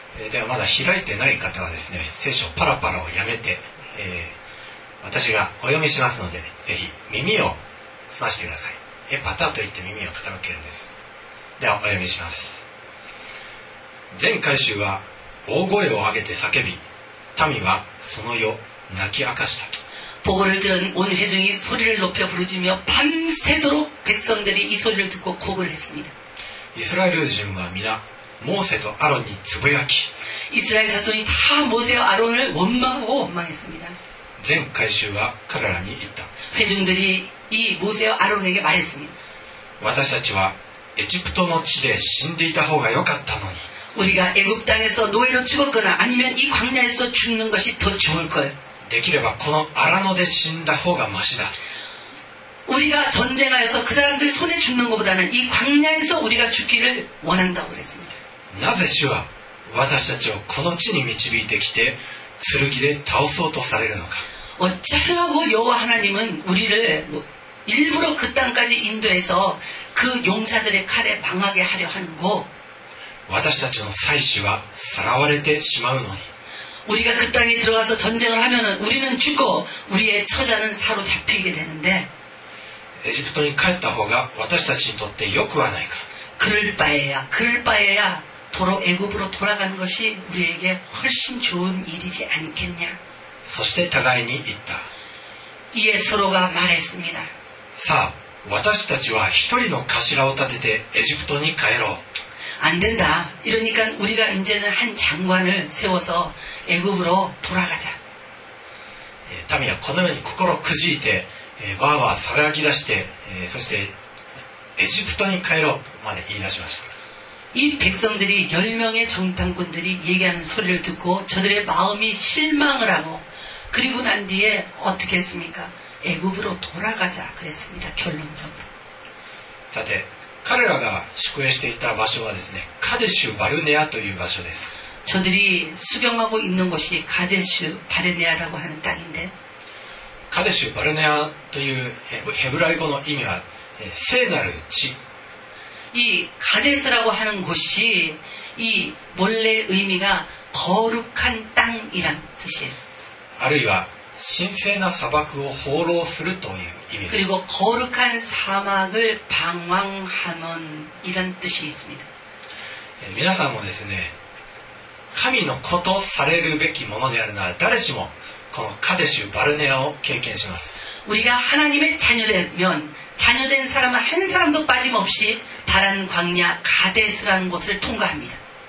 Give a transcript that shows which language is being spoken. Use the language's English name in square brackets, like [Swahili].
[Japanese] ではまだ開いてない方はですね聖書パラパラをやめて私がお読みしますのでぜひ耳を澄ましてくださいエパタと言って耳を傾けるんですではお読みします全会衆は大声を上げて叫び民はその夜泣き明かした [Korean] 보고를들은온회중이소리를높여부르짖며밤새도록백성들이이소리를듣고곡을했습니다 [Japanese] 이스라엘人は皆모세と아론이つぶやき [Korean] 이스라엘자손이다모세와아론을원망하고원망했습니다 [Japanese] 全会衆は彼らに言った [Korean] 회중들이이모세와아론에게말했습니다 [Japanese] 私たちはエジプトの地で死んでいた方が良かったのに [Korean] 우리가애굽땅에서노예로죽었거나아니면이광야에서죽는것이더좋을걸 [Japanese] できればこのアラノで死んだ方がマシだ [Korean] 우리가전쟁하여서그사람들손에죽는것보다는이광야에서우리가죽기를원한다고그랬습니다 [Japanese] なぜ主は私たちをこの地に導いてきて剣で倒そうとされるのか [Korean] 어쩌라고여호와하나님은우리를일부러그땅까지인도해서그용사들의칼에망하게하려하는고 [Japanese] 私たちの祭司はさらわれてしまうのに [Korean] 우리가그땅에들어가서전쟁을하면우리는죽고우리의처자는사로잡히게되는데 [Japanese] エジプトに帰った方が私たちにとって良くはないか [Korean] 그럴 바에야도로애굽으로돌아가는것이우리에게훨씬좋은일이지않겠냐 [Japanese] そして互いに言った [Korean] 이에서로가말했습니다 [Japanese] さあ私たちは一人の頭を立ててエジプトに帰ろう [Korean] 안된다이러니까우리가이제는한장관을세워서애굽으로돌아가자 [Japanese] 民はこのように心くじいてわーわー騒ぎ出してそしてエジプトに帰ろうまで言い出しました [Korean] 이백성들이열명의정탐꾼들이얘기하는소리를듣고저들의마음이실망을하고그리고난뒤에어떻게했습니까애굽으로돌아가자그랬습니다결론적으로 [Japanese] 자대彼らが宿営していた場所はですね、カデシュバルネアという場所です。 [Korean] 저들이수경하고있는곳이カデシュバルネア라고하는땅인데 [Japanese] カデシュバルネアというヘブライ語の意味は聖なる地 [Korean] 이カデス라고하는곳이이본래의미가거룩한땅이란뜻이에요 [Japanese] あるいは神聖な砂漠を放浪するという意味です [Korean] 그리고거룩한사막을방황하는이런뜻이있습니다 [Japanese] 皆さんもですね神の子とされるべきものであるなら誰しもこのカデシュバルネアを経験します [Korean] 우리가하나님의자녀되면자녀된사람은한사람도빠짐없이바란광야가데스라는곳을통과합니다